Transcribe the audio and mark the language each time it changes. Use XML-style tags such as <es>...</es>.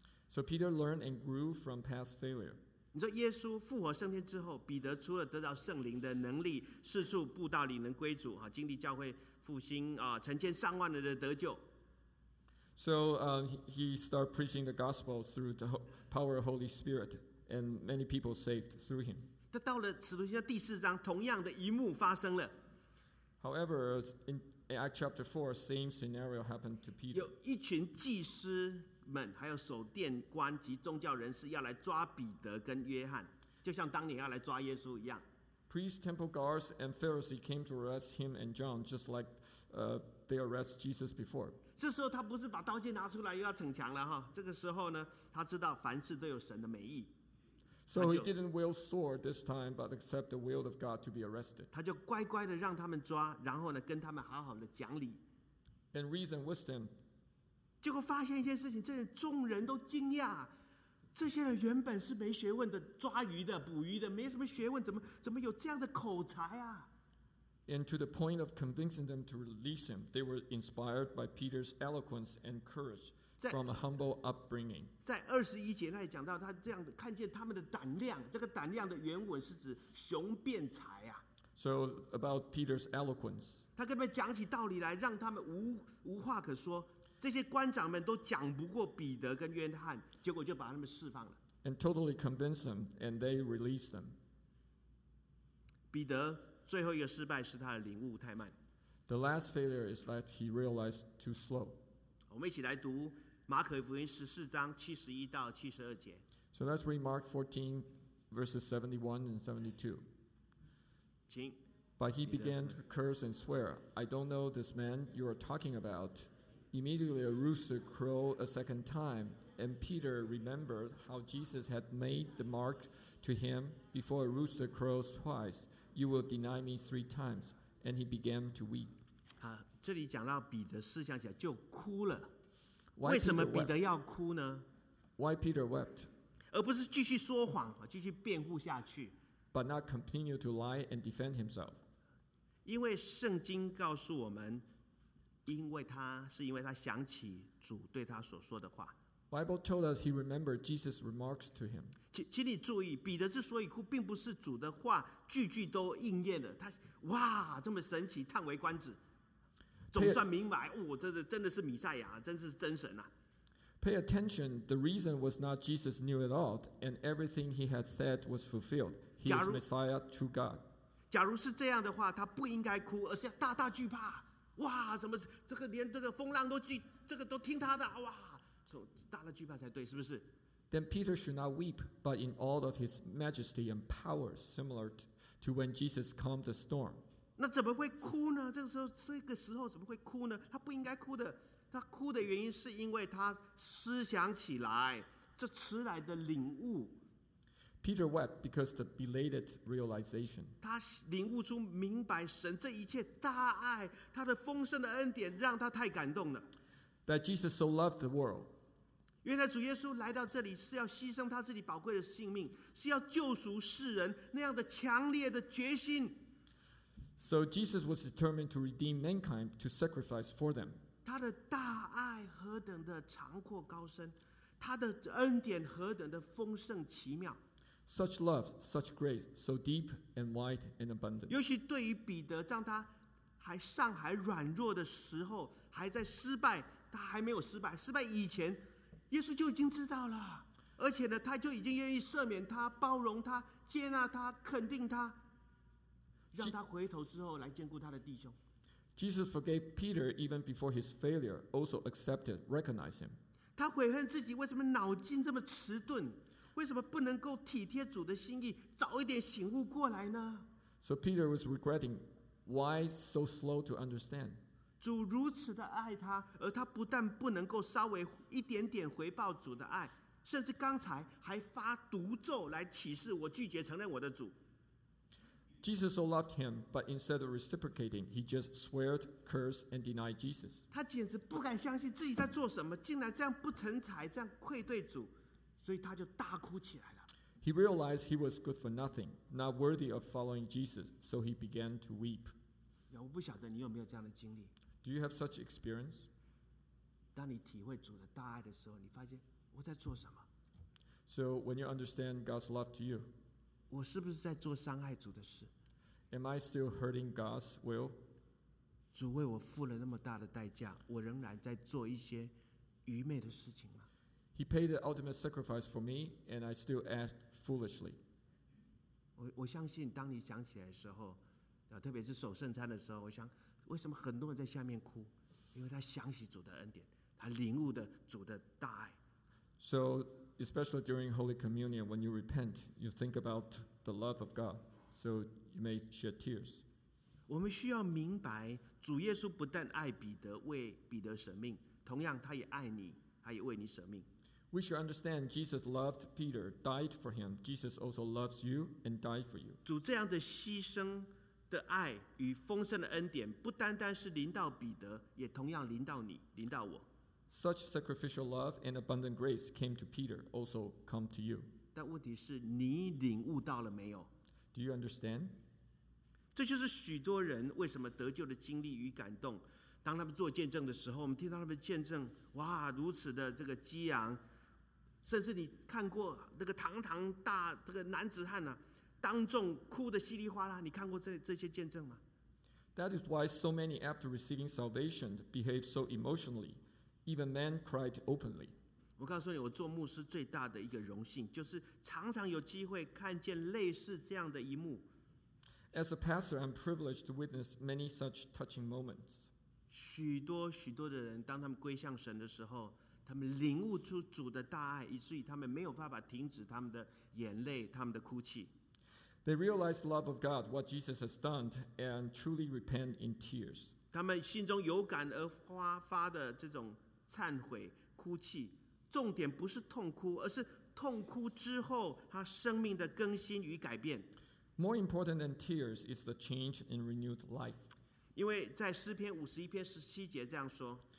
<en>So Peter learned and grew from past failure.</en> <zh>你说耶稣复活升天之后，彼得除了得到圣灵的能力，四处布道领人归主，经历教会复兴，成千上万人的得救。</zh> <en>So he started preaching the gospel through the power of Holy Spirit, and many people saved through him.</en> <zh>但到了使徒行传第四章，同样的一幕发生了。</zh> <en>However, In Acts chapter 4, same scenario happened to Peter.</en> <zh>有一群祭司们，还有守殿官及宗教人士要来抓彼得跟约翰，就像当年要来抓耶稣一样。</zh> <en>Priests, temple guards, and Pharisees came to arrest him and John, just like they arrested Jesus before.</en> <zh>这时候他不是把刀剑拿出来又要逞强了哈？这个时候呢，他知道凡事都有神的美意。</zh> <en>So he didn't wield sword this time, but accept the will of God to be arrested.</en> <zh>他就乖乖的让他们抓，然后呢，跟他们好好的讲理。</zh> <en>And reason with them.</en> <zh>结果发现一件事情，这些众人都惊讶，这些人原本是没学问的，抓鱼的、捕鱼的，没什么学问，怎么有这样的口才啊？</zh> <en>And to the point of convincing them to release him, they were inspired by Peter's eloquence and courage. From a humble upbringing.</en> <zh>在二十一节那里讲到他这样的看见他们的胆量，这个胆量的原文是指雄辩才啊。</zh> <en>So about Peter's eloquence.</en> <zh>他跟他们讲起道理来，让他们无话可说。这些官长们都讲不过彼得跟约翰，结果就把他们释放了。</zh> <en>And totally convinced them, and they released them.</en> <zh>彼得最后一个失败是他的领悟太慢。</zh> <en>The last failure is that he realized too slow.</en> <zh>我们一起来读马可福音十四章七十一到七十二节。</zh> <en>So let's read Mark 14, verses 71 and 72.</en> <zh>请。</zh> <en>But he began to curse and swear, "I don't know this man you are talking about." Immediately a rooster crowed a second time, and Peter remembered how Jesus had made the mark to him, "Before a rooster crows twice, you will deny me three times." And he began to weep.</en> <zh>这里讲到彼得思想起来就哭了，为什么彼得要哭呢</zh> <en>？Why Peter wept？</en> <zh>而不是继续说谎，继续辩护下去</zh> <en>？But not continue to lie and defend himself？</en> <zh>因为圣经告诉我们，因为他想起主对他所说的话。</zh> <en>Bible told us he remembered Jesus' remarks to him.</en> <zh>请你注意，彼得之所以哭，并不是主的话句句都应验了。他哇，这么神奇，叹为观止。总算明白，哦，真的是弥赛亚，真是真神啊。</zh> <en>Pay attention, the reason was not Jesus knew it all, and everything he had said was fulfilled. He is Messiah, true God.</en> <zh>假如是这样的话，他不应该哭，而是要大大惧怕。哇，什么这个连这个风浪都记，这个都听他的，哇，大大惧怕才对，是不是</zh> <en>？Then Peter should not weep, but in all of his majesty and power, similar to when Jesus calmed the storm.</en> <zh>那怎么会哭呢？这个时候怎么会哭呢？他不应该哭的。他哭的原因是因为他思想起来这迟来的领悟。</zh> <en>Peter wept because the belated realization.</en> <zh>他领悟出明白神这一切大爱，他的丰盛的恩典让他太感动了。</zh> <en>That Jesus so loved the world.</en> <zh>原来主耶稣来到这里是要牺牲他自己宝贵的性命，是要救赎世人，那样的强烈的决心。</zh> <en>So Jesus was determined to redeem mankind, to sacrifice for them.</en> <zh>他的大爱何等的长阔高深，他的恩典何等的丰盛奇妙。</zh> <en>Such love, such grace, so deep and wide and abundant.</en> <zh>尤其对于彼得，让他还尚还软弱的时候，还在失败，他还没有失败，失败以前耶稣就已经知道了，而且呢，他就已经愿意赦免他，包容他，接纳他，肯定他，让他回头之后来兼顾他的弟兄。</zh> <en>Jesus forgave Peter even before his failure, also accepted, recognized him.</en> <zh>他悔恨自己为什么脑筋这么迟钝，为什么不能够体贴主的心意，早一点醒悟过来呢？</zh> <en>So Peter was regretting why so slow to understand.</en> <zh>主如此的爱他，而他不但不能够稍微一点点回报主的爱，甚至刚才还发毒咒来启示我拒绝承认我的主。</zh> <en>Jesus so loved him, but instead of reciprocating, he just sweared, cursed, and denied Jesus.</en> <zh>他简直不敢相信自己在做什么，竟然这样不成才，这样愧对主，所以他就大哭起来了。</zh> <en>He realized he was good for nothing, not worthy of following Jesus, so he began to weep.</en> <zh>我不晓得你有没有这样的经历。</zh> <en>Do you have such experience?</en> <zh>当你体会主的大爱的时候，你发现我在做什么。</zh> <en>So when you understand God's love to you,</en> <zh>我是不是在做伤害主的事？</zh> <en>Am I still hurting God's will?</en> <zh>主为我付了那么大的代价，我仍然在做一些愚昧的事情吗？</zh> <en>He paid the ultimate sacrifice for me, and I still act foolishly.</en> <zh>我相信当你想起来的时候，特别是守圣餐的时候，我想为什么很多人在下面哭，因为他想起主的恩典，他领悟的主的大爱。</zh> <en>So especially during Holy Communion, when you repent, you think about the love of God, so you may shed tears.</en> <zh>我们需要明白，主耶稣不但爱彼得，为彼得舍命，同样他也爱你，他也为你舍命。</zh> <en>We should understand Jesus loved Peter, died for him. Jesus also loves you and died for you.</en> <zh>主这样的牺牲的爱与丰盛的恩典，不单单是临到彼得，也同样临到你，临到我。</zh> <en>Such sacrificial love and abundant grace came to Peter, also come to you.</en> <zh>但问题是，你领悟到了没有</zh> <en>？Do you understand?</en> <zh>这就是许多人为什么得救的经历与感动。当他们做见证的时候，我们听到他们见证，哇，如此的这个激昂，甚至你看过那个堂堂大这个男子汉呢、啊？当众哭得稀里哗啦，你看过 这些见证吗？</zh> <en>That is why so many after receiving salvation behave so emotionally. Even men cried openly.</en> <zh>我告诉你，我做牧师最大的一个荣幸，就是常常有机会看见类似这样的一幕。</zh> <en>As a pastor, I'm privileged to witness many such touching moments.</en> <zh>许多许多的人，当他们归向神的时候，他们领悟出主的大爱，以至于他们没有办法停止他们的眼泪，他们的哭泣。</zh> <en>They realize the love of God, what Jesus has done, and truly repent in tears.</en> <zh>他们心中有感而发的这种忏悔、哭泣，重点不是痛哭，而是痛哭之后他生命的更新与改变。</zh> <en>More important than tears is the change in renewed life.</en> <zh>因为在诗篇五十一篇十七节这样说。</zh>